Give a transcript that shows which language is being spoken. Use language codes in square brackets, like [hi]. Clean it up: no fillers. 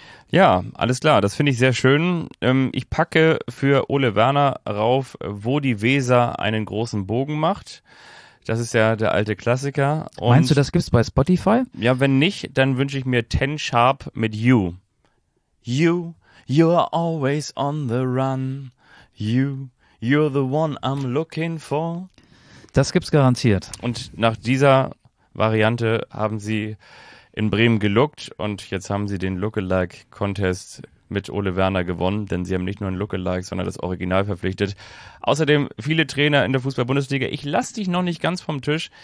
[de] Ja, alles klar. Das finde ich sehr schön. Ich packe für Ole Werner rauf, wo die Weser einen großen Bogen macht. Das ist ja der alte Klassiker. Und meinst du, das gibt's bei Spotify? Ja, wenn nicht, dann wünsche ich mir Ten Sharp mit You. [en] You, you're always on the run. You, you're the one I'm looking for. [de] Das gibt's garantiert. Und nach dieser Variante haben sie in Bremen geluckt und jetzt haben sie den Lookalike-Contest mit Ole Werner gewonnen, denn sie haben nicht nur ein Lookalike, sondern das Original verpflichtet. Außerdem viele Trainer in der Fußball-Bundesliga. Ich lasse dich noch nicht ganz vom Tisch.